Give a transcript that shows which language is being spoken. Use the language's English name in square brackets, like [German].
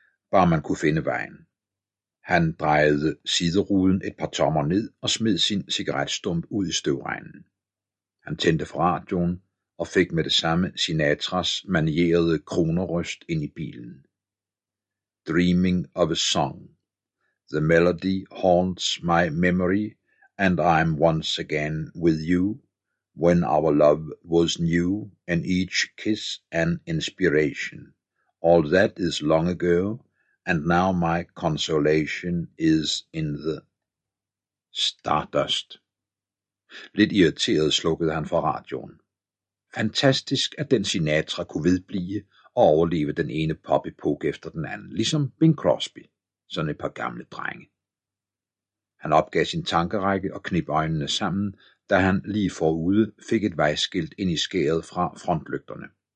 [Danish] Bare man kunne finde vejen. Han drejede sideruden et par tommer ned og smed sin cigaretstump ud i støvregnen. Han tændte for radioen og fik med det samme Sinatras manierede kronerøst ind i bilen. [English] Dreaming of a song. The melody haunts my memory and I'm once again with you. When our love was new and each kiss an inspiration. All that is long ago. And now my consolation is in the stardust. [Danish] Lidt irriteret slukkede han for radioen. Fantastisk, at den Sinatra kunne vedblive og overleve den ene pop-epok efter den anden, ligesom Bing Crosby, sådan et par gamle drenge. Han opgav sin tankerække og knip øjnene sammen, da han lige forude fik et vejskilt ind i skæret fra frontlygterne.